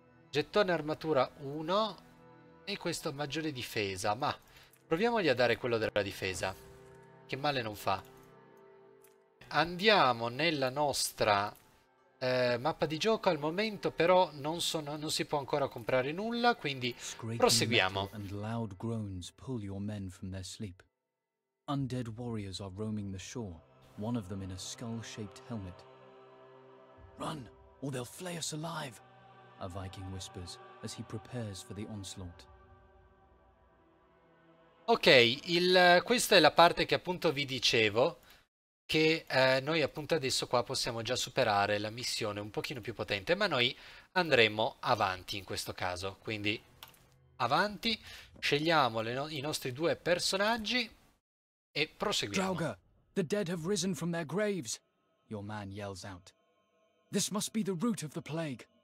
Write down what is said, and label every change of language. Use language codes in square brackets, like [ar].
[it] Gettone armatura 1 e questo maggiore difesa, ma proviamogli a dare quello della difesa, che male non fa. Andiamo nella nostra mappa di gioco, al momento però non si può ancora comprare nulla, quindi proseguiamo. [en] And loud groans pull your men from their sleep. Undead warriors are roaming the shore, one of them in a skull-shaped helmet. Run, or they'll flay us alive, a Viking whispers as he prepares for the onslaught. [it] Ok, questa è la parte che appunto vi dicevo, che noi appunto adesso qua possiamo già superare la missione un pochino più potente, ma noi andremo avanti in questo caso. Quindi avanti, scegliamo i nostri due personaggi e proseguiamo. [en] Draugr, the dead have risen from their graves, your man yells out. This must be the root of the plague.